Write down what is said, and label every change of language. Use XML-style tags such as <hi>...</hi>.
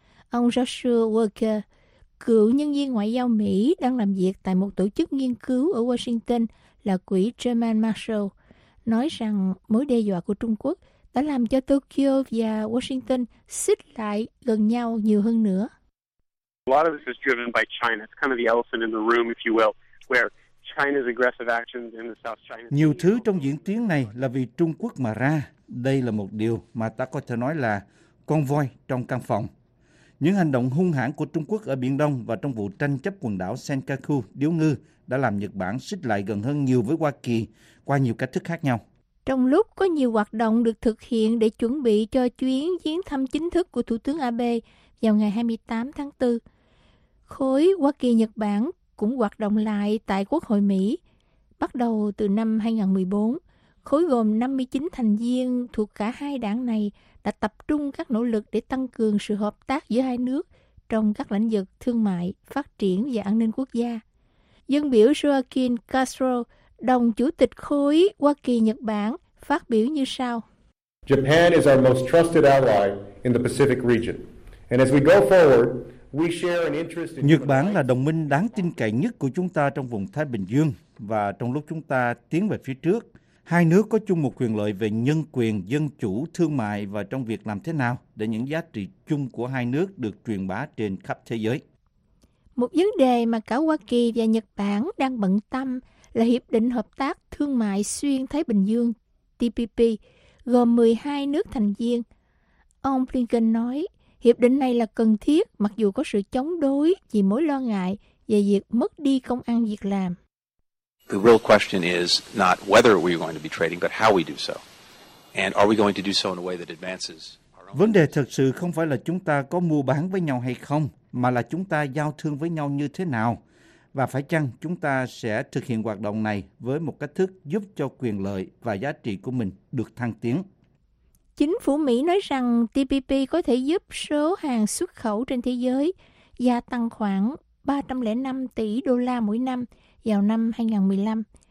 <vi>Ông Joshua Walker, cựu nhân viên ngoại giao Mỹ đang làm việc tại một tổ chức nghiên cứu ở Washington là quỹ German Marshall, nói rằng mối đe dọa của Trung Quốc đã làm cho Tokyo và Washington xích lại gần nhau nhiều hơn nữa.</vi> <en>A lot of this is driven by China. It's kind of the elephant in the room, if you will, where</en> <vi>nhiều thứ trong diễn tiến này là vì Trung Quốc mà ra. Đây là một điều mà ta có thể nói là con voi trong căn phòng. Những hành động hung hãn của Trung Quốc ở Biển Đông và trong vụ tranh chấp quần đảo Senkaku, Điếu Ngư đã làm Nhật Bản xích lại gần hơn nhiều với Hoa Kỳ qua nhiều cách thức khác nhau. Trong lúc có nhiều hoạt động được thực hiện để chuẩn bị cho chuyến viếng thăm chính thức của Thủ tướng Abe vào ngày 28 tháng 4, khối Hoa Kỳ-Nhật Bản cũng hoạt động lại tại Quốc hội Mỹ. Bắt đầu từ năm 2014, khối gồm 59 thành viên thuộc cả hai đảng này đã tập trung các nỗ lực để tăng cường sự hợp tác giữa hai nước trong các lĩnh vực thương mại, phát triển và an ninh quốc gia. Dân biểu Joaquin Castro, đồng chủ tịch khối Hoa Kỳ-Nhật Bản, phát biểu như sau.</vi> <en>Japan is our most trusted ally in the Pacific region. And as we go forward, we share an interest in</en> <vi>Nhật Bản là đồng minh đáng tin cậy nhất của chúng ta trong vùng Thái Bình Dương, và trong lúc chúng ta tiến về phía trước, hai nước có chung một quyền lợi về nhân quyền, dân chủ, thương mại và trong việc làm thế nào để những giá trị chung của hai nước được truyền bá trên khắp thế giới. Một vấn đề mà cả Hoa Kỳ và Nhật Bản đang bận tâm là Hiệp định Hợp tác Thương mại Xuyên Thái Bình Dương, TPP, gồm 12 nước thành viên. Ông Blinken nói, hiệp định này là cần thiết mặc dù có sự chống đối vì mối lo ngại về việc mất đi công ăn việc làm.</vi> <en>The real question is not whether we're going to be trading, but how we do so. And are we going to do so in a way that advances our own...</en> <vi>Vấn đề thực sự không phải là chúng ta có mua bán với nhau hay không, mà là chúng ta giao thương với nhau như thế nào. Và phải chăng chúng ta sẽ thực hiện hoạt động này với một cách thức giúp cho quyền lợi và giá trị của mình được thăng tiến. Chính phủ Mỹ nói rằng TPP có thể giúp số hàng xuất khẩu trên thế giới gia tăng khoảng 305 tỷ đô la mỗi năm vào năm 2015.</vi>